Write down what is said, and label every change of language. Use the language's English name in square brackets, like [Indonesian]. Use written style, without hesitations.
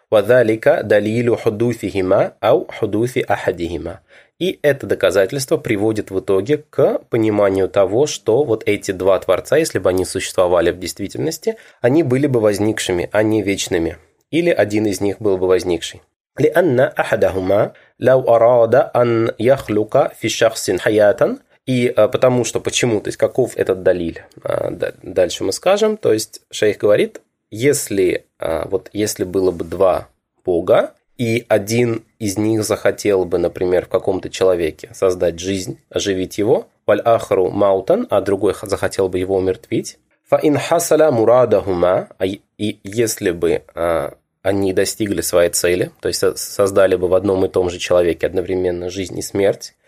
[Arabic] «Вазалика далилю худуфихима ау худуфи ахадихима». [Russian] И это доказательство приводит в итоге к пониманию того, что вот эти два творца, если бы они существовали в действительности, они были бы возникшими, а не вечными. Или один из них был бы возникший. [Arabic] لأن أحدهما لو أراد أن يخلق في شخص حياة. [Russian] И потому что, почему, то есть каков этот далиль? Дальше мы скажем, то есть шейх говорит, если было бы два бога, и один из них захотел бы, например, в каком-то человеке создать жизнь, оживить его, [Arabic] والآخر موتا, [Russian] а другой захотел бы его умертвить, [Arabic] فإن حصل مرادهما, [Russian] и если бы они достигли своей цели, то есть создали бы в одном и том же человеке одновременно жизнь и смерть.